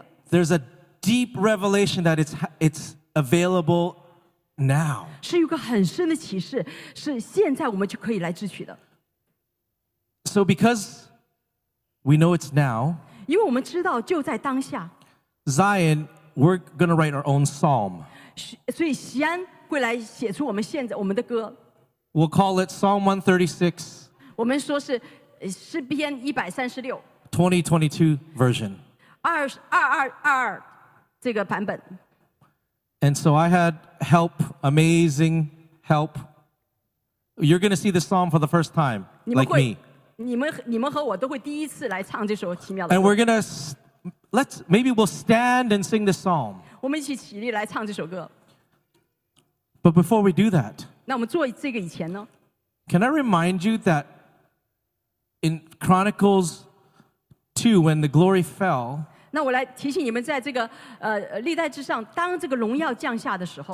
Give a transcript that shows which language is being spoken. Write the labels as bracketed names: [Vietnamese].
[English] There's a deep revelation that it's available now. [Chinese] 是有个很深的启示，是现在我们就可以来支取的。 [English] So because we know it's now, [Chinese] 因为我们知道就在当下, [English] Zion, we're going to write our own psalm. [Chinese] 所以西安会来写出我们现在我们的歌。 [English] We'll call it Psalm 136. [Chinese] 我们说是诗篇136。 [English] 2022 version. [Chinese] 2022这个版本。 [English] And so I had help, amazing help. You're going to see the psalm for the first time, [Chinese] 你们会, [English] like me. And we're going to, maybe we'll stand and sing the psalm. But before we do that, can I remind you that in Chronicles 2, when the glory fell, [Chinese] 那我来提醒你们在这个, 历代之上, 当这个荣耀降下的时候,